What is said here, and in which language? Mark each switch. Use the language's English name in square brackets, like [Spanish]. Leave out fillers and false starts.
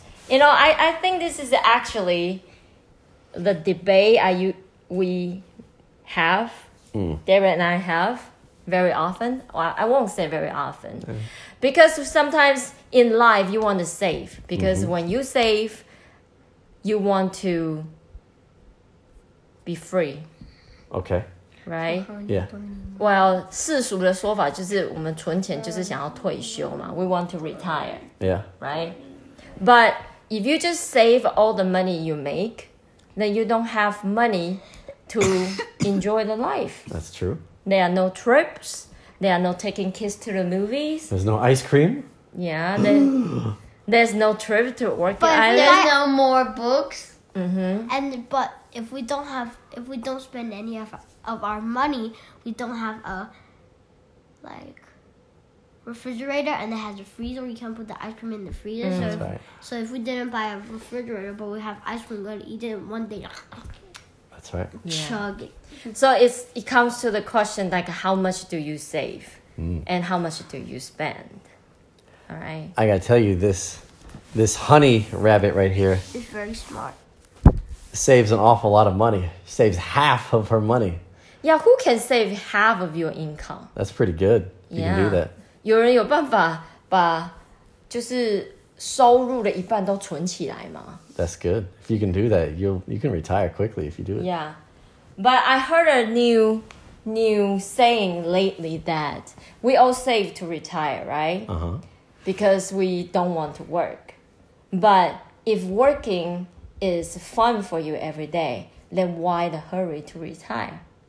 [English] You know, I think this is actually the debate we have, Derek and I have, very often. Well, I won't say very often. Because sometimes in life, you want to save. Because when you save, you want to be free. Okay. Right? Yeah. Well, [Chinese] 世俗的说法就是我们存钱就是想要退休嘛. [English] We want to retire. Yeah. Right? But if you just save all the money you make, then you don't have money to enjoy the life. That's true. There are no trips. There are no taking kids to the movies. There's no ice cream. Yeah. Then there's no trip to Orchid Island. But there's no more books. Mm-hmm. And but if we don't spend any of our money, we don't have a refrigerator, and it has a freezer. You can put the ice cream in the freezer. Mm-hmm. So, that's right. So if we didn't buy a refrigerator, but we have ice cream, we're gonna eat it in one day. That's right. Yeah. Chug it. So it comes to the question, how much do you save, and how much do you spend? All right. I gotta tell you, this honey rabbit right here is very smart. Saves an awful lot of money. She saves half of her money. Yeah, who can save half of your income? That's pretty good. You can do that. [Chinese] 有人有办法把就是收入的一半都存起来吗? [English] That's good. If you can do that, you can retire quickly if you do it. Yeah. But I heard a new saying lately that we all save to retire, right? Uh-huh. Because we don't want to work. But if working is fun for you every day, then why the hurry to retire?